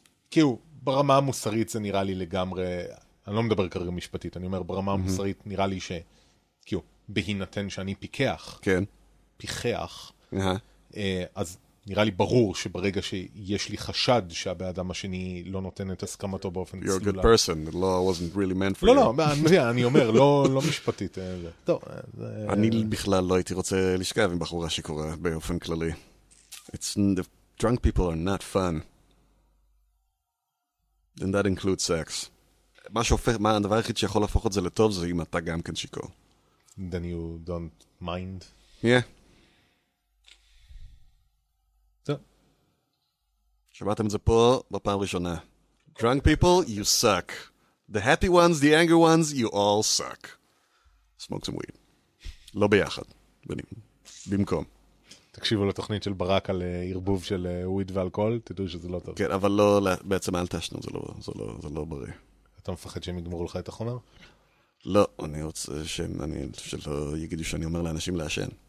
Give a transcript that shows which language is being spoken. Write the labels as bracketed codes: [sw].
[he] כאילו, ברמה המוסרית זה נראה לי לגמרי... אני לא מדבר כרגע משפטית, אני אומר ברמה המוסרית, נראה לי ש... כאילו, בהינתן שאני פיקח, כן. פיקח, אז נראה לי ברור שברגע שיש לי חשד שהבאדם השני לא נותן את הסכמתו באופן צלולה. [en] You're a good person, the law wasn't really meant for [he] לא, [en] you. [he] לא, לא, אני אומר, לא משפטית. אני בכלל לא הייתי רוצה לשכב עם בחורה שקורה באופן כללי. [en] It's, the drunk people are not fun. And that includes sex. [he] מה שהופך, מה הדבר היחיד שיכול להפוך את זה לטוב, זה אם אתה גם כן שיקור. [en] Then you don't mind. Yeah. So. [he] שמעתם את זה פה בפעם ראשונה. [en] Drunk people, you suck. The happy ones, the angry ones, you all suck. Smoke some weed. [he] לא ביחד. במקום. תקשיבו לתוכנית של ברק על ערבוב של וויד ואלכוהול, תדעו שזה לא טוב. כן, אבל לא, בעצם אל תשנו, זה לא, זה לא, זה לא בריא. אתה מפחד שהם יגמרו לך את החומר? לא, אני רוצה שהם, אני, שלא יגידו שאני אומר לאנשים לעשן.